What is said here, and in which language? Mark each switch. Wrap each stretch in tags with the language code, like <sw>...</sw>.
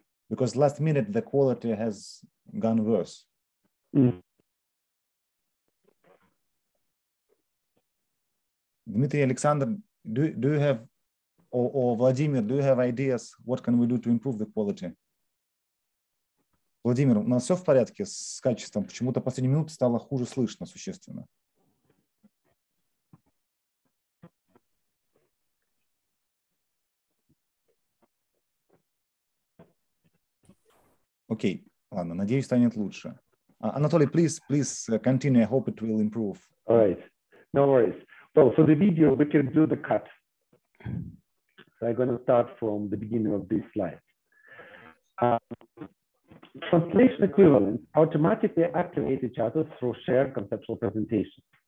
<en>Because last minute, the quality has gone worse. Dmitry, Alexander, do you have, or Vladimir, do you have ideas? What can we do to improve the quality?</en> <ru>Владимир, у нас все в порядке с качеством? Почему-то последние минуты стало хуже слышно существенно. Окей, ладно, надеюсь, станет лучше.</ru> <en>Anatoly, please continue. I hope it will improve. All right, no worries. Well, so the video, we can do the cut. So I'm going to start from the beginning of this slide. Translation equivalents automatically activate each other through shared conceptual presentation.</en>